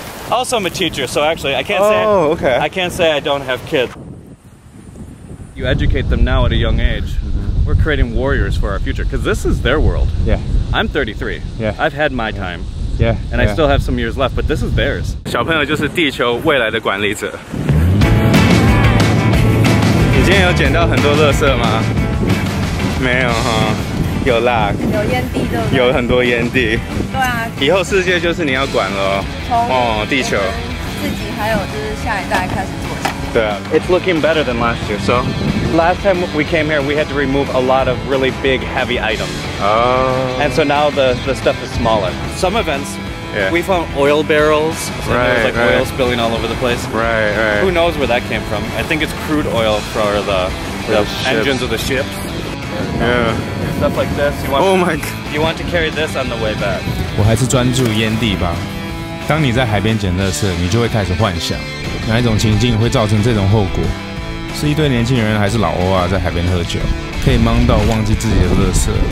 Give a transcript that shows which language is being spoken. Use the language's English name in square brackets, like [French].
[English] Also, I'm a teacher, so actually, I can't I can't say I don't have kids. You educate them now at a young age. Mm-hmm. We're creating warriors for our future, because this is their world. Yeah. I'm 33. Yeah. I've had my time. Yeah. And I still have some years left, but this is theirs. [Chinese] 小朋友就是地球未来的管理者。你今天有捡到很多垃圾吗？没有哈。有啦，有烟蒂，对不对？有很多烟蒂。对啊，以后世界就是你要管了。地球自己还有就是下一代开始做起。对啊， [English] It's looking better than last year. So last time we came here, we had to remove a lot of really big heavy items. And so now the stuff is smaller. Some events, we found oil barrels. Oil spilling all over the place. Right. Who knows where that came from? I think it's crude oil for the engines of the ships. Yeah. Stuff like this, you want to carry this on the way back. [Chinese] 我还是专注烟蒂吧。当你在海边捡垃圾，你就会开始幻想哪一种情境会造成这种后果。是一对年轻人还是老欧啊在海边喝酒？K 可以忙到忘记自己的垃圾。